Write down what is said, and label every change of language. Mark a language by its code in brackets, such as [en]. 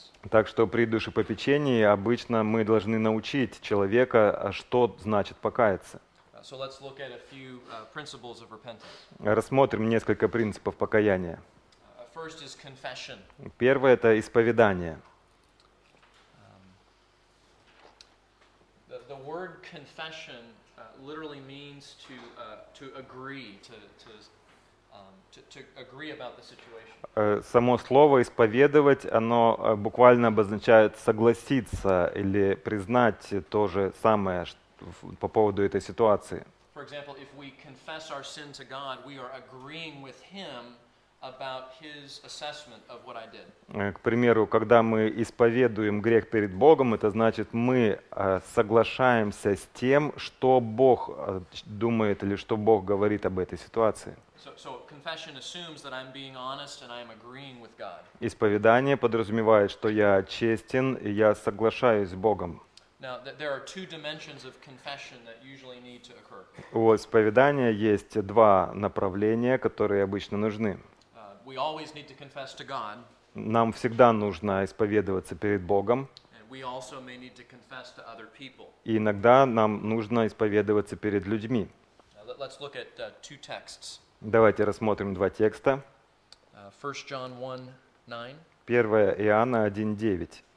[ru] Так что при душепопечении обычно мы должны научить человека, что значит покаяться. [en] So let's look at a few principles of repentance. [ru] Рассмотрим несколько принципов покаяния. [en] First is confession. [ru] Первое — это исповедание. [en] The word confession literally means to agree about the situation. [ru] Само слово исповедовать, оно буквально обозначает согласиться или признать то же самое, что по поводу этой ситуации. [en] For example, if we confess our sin to God, we are agreeing with Him about His assessment of what I did. [ru] К примеру, когда мы исповедуем грех перед Богом, это значит, мы соглашаемся с тем, что Бог думает или что Бог говорит об этой ситуации. [en] So confession assumes that I'm being honest and I'm agreeing with God. [ru] Исповедание подразумевает, что я честен и я соглашаюсь с Богом. [en] Now, there are two dimensions of confession that usually need to occur. [ru] У исповедания есть два направления, которые обычно нужны. [en] We always need to confess to God. [ru] Нам всегда нужно исповедоваться перед Богом. [en] And we also may need to confess to other people. [ru] И иногда нам нужно исповедоваться перед людьми. [en] Let's look at two texts. [ru] Давайте рассмотрим два текста. [en] 1 John 1:9. [ru] 1 Иоанна 1:9.